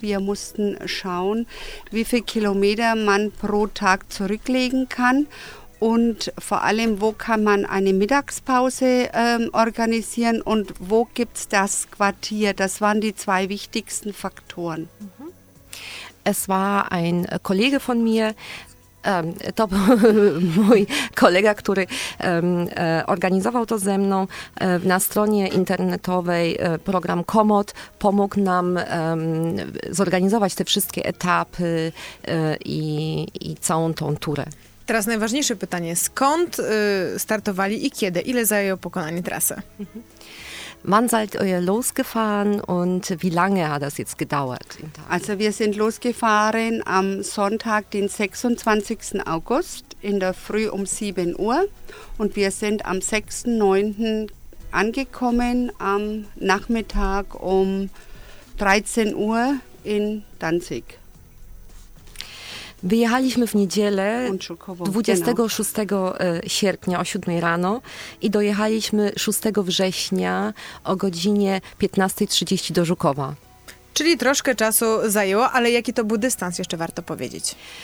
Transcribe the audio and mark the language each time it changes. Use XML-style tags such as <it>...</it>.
<de>Wir mussten schauen, wie viele Kilometer man pro Tag zurücklegen kann. Und vor allem, wo kann man eine Mittagspause organisieren und wo gibt's das Quartier? Das waren die zwei wichtigsten Faktoren. Es war ein Kollege von mir,</de> <pl>to był mój kolega, który organizował to ze mną. Na stronie internetowej program Komoot pomógł nam zorganizować te wszystkie etapy i całą tą turę. Teraz najważniejsze pytanie, skąd startowali i kiedy? Ile zajęło pokonanie trasy?</pl> <de>Wann seid ihr losgefahren und wie lange hat das jetzt gedauert? Also wir sind losgefahren am Sonntag, den 26. August in der Früh um 7 Uhr und wir sind am 6.9. angekommen am Nachmittag um 13 Uhr in Danzig.</de> <pl>Wyjechaliśmy w niedzielę 26 sierpnia o 7 rano i dojechaliśmy 6 września o godzinie 15.30 do Żukowa. Czyli troszkę czasu zajęło, ale jaki to był dystans, jeszcze warto powiedzieć.</pl>